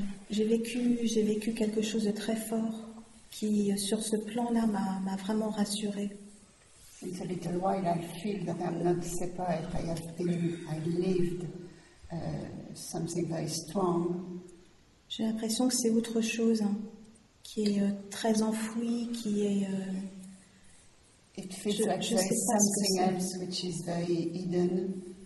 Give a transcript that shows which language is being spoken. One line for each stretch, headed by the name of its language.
French: J'ai vécu quelque chose de très fort qui, sur ce plan-là, m'a vraiment rassurée.
English: Since a little while, I feel that I'm not separate. I lived something very strong.
French: J'ai l'impression que c'est autre chose, hein, qui est très enfoui, qui est.
English: It feels like there is something else which is very hidden.